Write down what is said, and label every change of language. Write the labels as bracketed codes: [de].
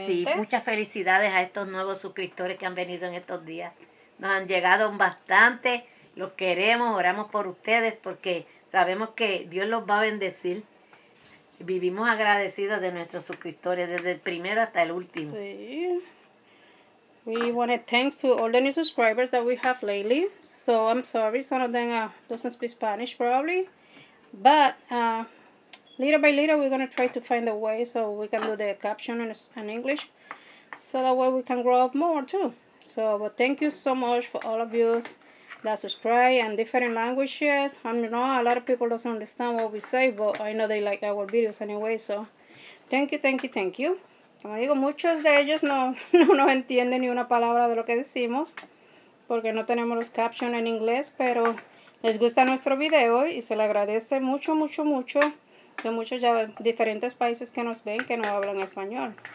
[es] Ay, sí, muchas felicidades a estos nuevos suscriptores que han venido en estos días. Nos han llegado bastante. Los queremos, oramos por ustedes porque sabemos que Dios los va a bendecir. Vivimos agradecidos de nuestros suscriptores desde el primero hasta el último. Sí. [en] We want to thank to all the new subscribers that we have lately. I'm sorry, some of them doesn't speak Spanish probably. But little by little we're going to try to find a way so we can do the caption in English. That way we can grow up more too. But thank you so much for all of you that subscribe and different languages. I know a lot of people don't understand what we say, but I know they like our videos anyway, thank you. [es] Como digo, muchos de ellos no entienden ni una palabra de lo que decimos, porque no tenemos los captions en inglés, pero les gusta nuestro video y se le agradece mucho. Hay muchos ya diferentes países que nos ven que no hablan español.